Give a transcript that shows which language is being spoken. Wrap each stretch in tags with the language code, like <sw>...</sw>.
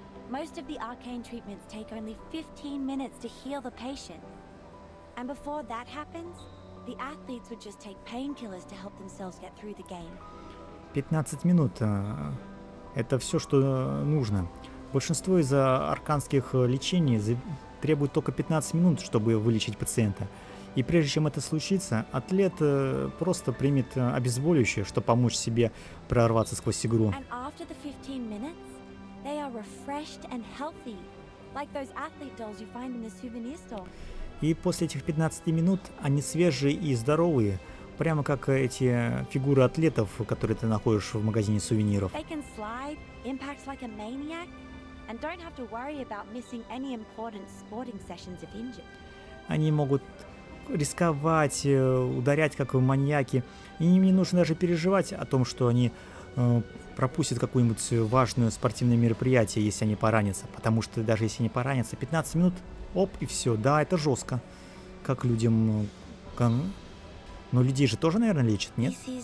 <en>Most of the arcane treatments take only 15 minutes to heal the patient. And before that happens, the athletes would just take painkillers to help themselves get through the game.</en> <ru>15 минут — это все, что нужно. Большинство из арканских лечений требует только 15 минут, чтобы вылечить пациента. И прежде чем это случится, атлет просто примет обезболивающее, чтобы помочь себе прорваться сквозь игру.</ru> <en>And after the 15 minutes, they are refreshed and healthy, like those athlete dolls you find in the souvenir store.</en> <ru>И после этих 15 минут они свежие и здоровые, прямо как эти фигуры атлетов, которые ты находишь в магазине сувениров.</ru> <en>They can slide, impact like a maniac, and don't have to worry about missing any important sporting sessions if injured.</en> <ru>Они могут рисковать, ударять как маньяки, и им не нужно даже переживать о том, что они пропустят какое-нибудь важное спортивное мероприятие, если они поранятся, потому что даже если они поранятся, 15 минут, оп, и все, да, это жестко, как людям, но людей же тоже, наверное, лечат, нет?</ru>